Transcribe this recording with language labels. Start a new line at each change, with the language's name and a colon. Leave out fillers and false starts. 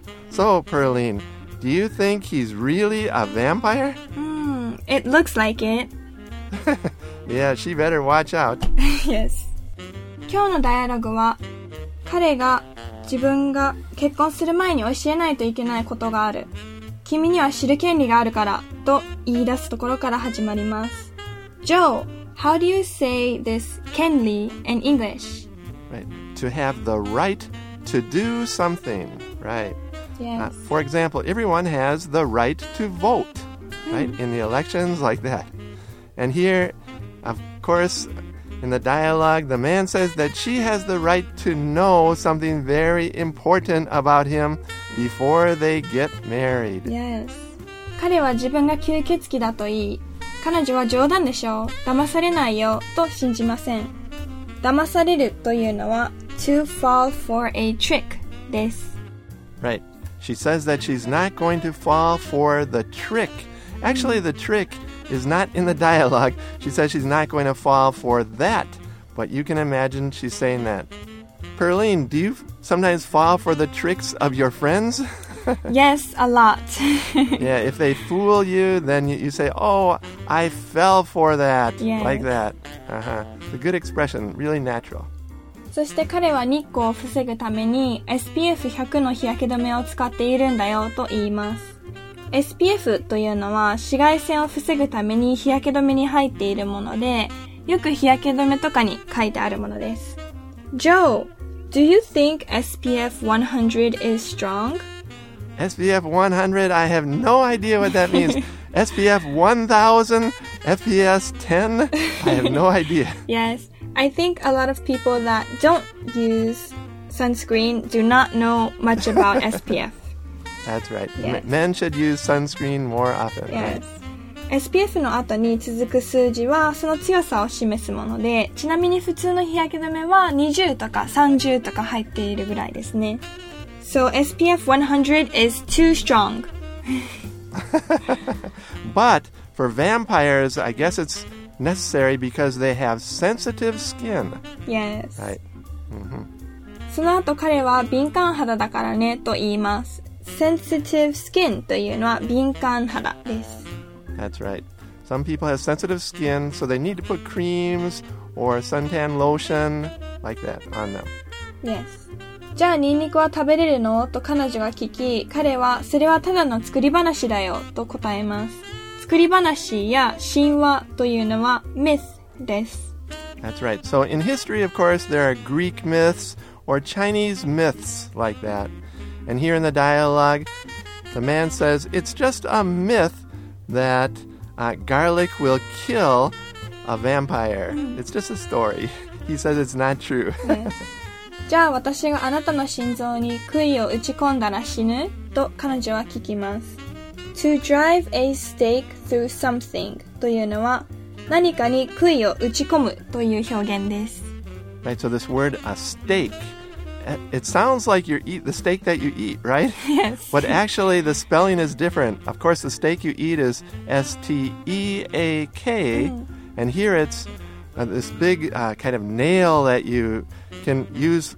English: So, Pearline, do you think he's really a vampire? It looks like it. Yeah, she better watch out. Yes.
Japanese: 今日のダイアログは、彼が自分が結婚する前に教えないといけないことがある。君には知る権利があるから、と言い出すところから始まります。
English: Joe, how do you say this 権利 in English? Right. To have the right to do something, right? Yes. For example, everyone has the right to vote, right? In the elections like that. And here, of course, in the dialogue, the man says that she has the right to know something very important about him before they get married. Yes.
Japanese: 彼は自分が吸血鬼だと言い、彼女は冗談でしょう。騙されないよと信じません。騙されるというのは
English: to fall for a trick
Japanese: です。
English: Right. She says that she's not going to fall for the trick. Actually, the trick is not in the dialogue. She says she's not going to fall for that. But you can imagine she's saying that. Pearline, do you sometimes fall for the tricks of your friends? Yes, a lot. Yeah, if they fool you, then you say, oh, I fell for that. Yes. Like that. Uh-huh. It's a good expression, really natural.
Japanese: そして彼は日光を防ぐために SPF100 の日焼け止めを使っているんだよと言います。 SPF というのは紫外線を防ぐために日焼け止めに入っているもので、よく日焼け止めとかに書いてあるものです。
English: Joe, do you think SPF 100 is strong? SPF 100, I have no idea what that means. SPF 1000, FPS 10, I have no idea. Yes. I think a lot of people that don't use sunscreen do not know much about SPF. That's right. Yes. Men should use sunscreen more often. Yes. Right?
Japanese: SPF の後に続く数字はその強さを示すもので、ちなみに普通の日焼け止めは20とか30とか入っているぐらいですね。
English: So SPF 100 is too strong. But for vampires, I guess it's necessary because they have sensitive skin. Yes. Right. Mm-hmm.
Japanese: その後彼は敏感肌だからねと言います。
English: Sensitive skin
Japanese: というのは敏感肌です。
English: That's right. Some people have sensitive skin, so they need to put creams or suntan lotion like that on them. Yes.
Japanese: じゃあニンニクは食べれるの?と彼女が聞き、彼はそれはただの作り話だよと答えます。作り話や神話というのは myth です。
English: That's right. So in history, of course, there are Greek myths or Chinese myths like that. And here in the dialogue, the man says, it's just a myththat garlic will kill a vampire. It's just a story. He says it's not true.
Japanese: じゃあ私があなたの心臓に杭を打ち込んだら死ぬ? と彼女は聞きます。
English: To drive a stake through something
Japanese: というのは何かに杭を打ち込むという表現です。
English: Right, so this word, a stake, it sounds like you eat the steak that you eat, right? Yes. But actually, the spelling is different. Of course, the steak you eat is S-T-E-A-K. Mm. And here it's this big kind of nail that you can use.